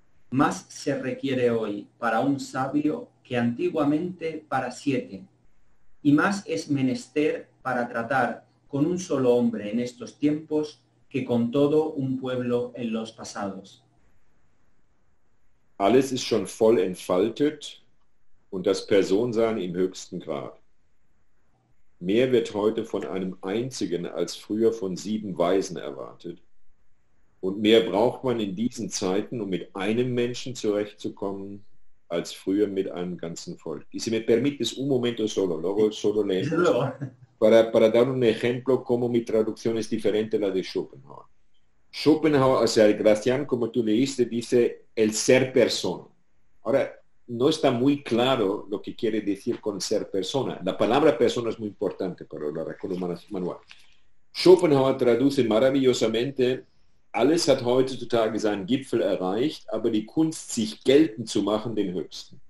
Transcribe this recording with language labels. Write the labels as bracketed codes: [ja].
[es] Más se requiere hoy para un sabio que antiguamente para siete, y más es menester para tratar con un solo hombre en estos tiempos que con todo un pueblo en los pasados. [de] Alles ist schon voll entfaltet und das Personsein im höchsten Grad. Mehr wird heute von einem einzigen als früher von sieben Weisen erwartet, und mehr braucht man in diesen Zeiten, um mit einem Menschen zurechtzukommen, als früher mit einem ganzen Volk. [es] Y si me permites un momento solo, luego solo leemos, para dar un ejemplo como mi traducción es diferente a la de Schopenhauer. Schopenhauer, o sea, Gracián, como tú leíste, dice el ser persona. Ahora, no está muy claro lo que quiere decir con ser persona. La palabra persona es muy importante para el oráculo manual. Schopenhauer traduce maravillosamente: [de] alles hat heutzutage seinen Gipfel erreicht, aber die Kunst, sich geltend zu machen, den höchsten.